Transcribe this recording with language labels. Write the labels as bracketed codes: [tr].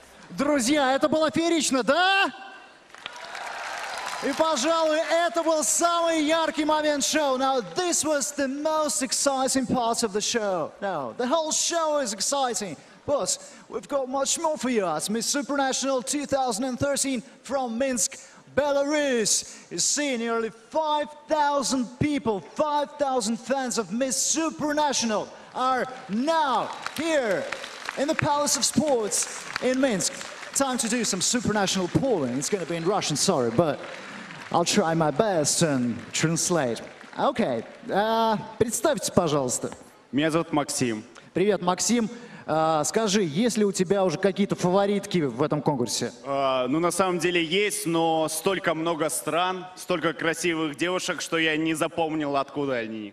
[ru] Друзья, это было феерично, да? И, пожалуй, это был самый яркий момент шоу. [en] Now, this was the most exciting part of the show. No, the whole show is exciting. But we've got much more for you as Miss Supranational 2013 from Minsk, Belarus, is seeing nearly 5,000 people, 5,000 fans of Miss Supranational are now here in the Palace of Sports in Minsk. Time to do some Supranational polling. It's going to be in Russian, sorry, but I'll try my best and translate. [ru] Okay, представьтесь, пожалуйста. Меня зовут Максим. Привет, Максим. Скажи, есть ли у тебя уже какие-то фаворитки в этом конкурсе? Ну, на самом деле есть, но столько много стран, столько красивых девушек, что я не запомнил, откуда они.